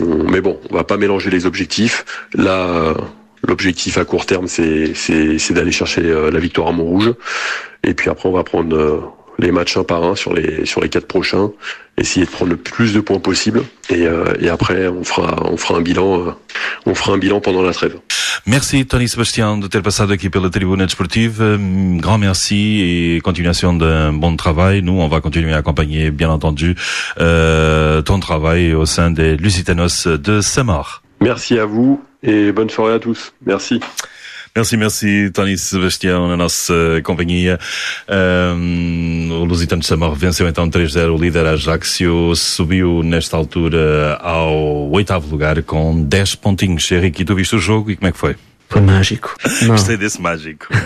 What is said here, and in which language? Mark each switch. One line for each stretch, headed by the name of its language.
French: Mais bon, on va pas mélanger les objectifs. Là, l'objectif à court terme, c'est d'aller chercher la victoire à Montrouge. Et puis après, on va prendre les matchs un par un sur les 4 prochains, essayer de prendre le plus de points possible. Et après, on fera un bilan pendant la trêve.
Portuguese: Merci Tony Sébastien de ter passado aqui pela Tribuna Desportiva.
French: Grand merci
Portuguese: e continuação de um bom trabalho.
French: Nous, on va continuer à accompagner, bien entendu, ton travail au sein des Lusitanos de Samar. Merci à vous et bonne soirée à tous. Merci.
Portuguese: Merci, Tony Sebastião, na nossa companhia. O Lusitano de Samar venceu então 3-0, o líder Ajaccio subiu nesta altura ao 8º lugar com 10 pontinhos. Henrique, tu viste o jogo e como é que foi? Foi mágico. Gostei desse mágico.